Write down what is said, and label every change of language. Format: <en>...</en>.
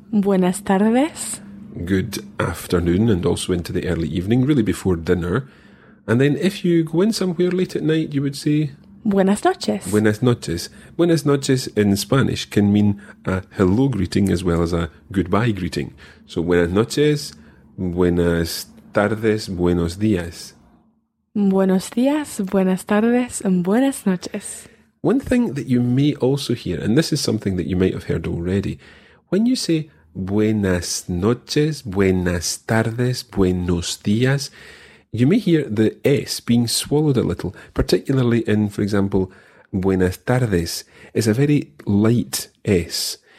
<es>Buenas tardes.</es> <en>Good afternoon and also into the early evening, really before dinner. And then if you go in somewhere late at night, you would say</en> <es>buenas noches. Buenas noches. Buenas noches</es> <en>in Spanish can mean a hello greeting as well as a goodbye greeting. So</en> <es>buenas noches, buenas tardes, buenos días. Buenos días, buenas tardes, and buenas noches.</es> <en>One thing that you may also hear, and this is something that you might have heard already, when you say</en> <es>buenas noches, buenas tardes, buenos días,</es> <en>you may hear the S being swallowed a little, particularly in, for example,</en> <es>buenas tardes,</es> <en>is a very light S.</en>